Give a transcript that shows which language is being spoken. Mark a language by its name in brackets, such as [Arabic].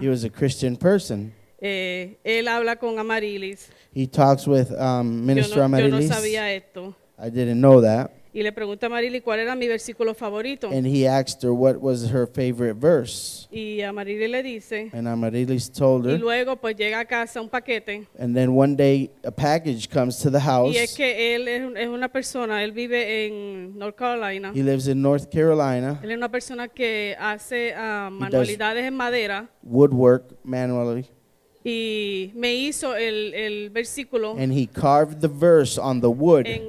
[English] He was a Christian person. [Spanish] Él habla con Amarilis. [English] He talks with Minister Amarilis. [Spanish] Yo no sabía esto. [English] I didn't know that. [Spanish] Y le pregunta a Amarilis cuál era mi versículo favorito. [English] And he asked her what was her favorite verse. [Spanish] Y Amarilis le dice. [English] And Amarilis told her. [Spanish] Y luego pues llega a casa un paquete. [English] And then one day a package comes to the house. [Spanish] Y es que él es una persona, él vive en North Carolina. [English] He lives in North Carolina. [Spanish] Él es una persona que hace manualidades en madera. [English] Woodwork manually. [Spanish] Y me hizo el versículo. [English] And he carved the verse on the wood.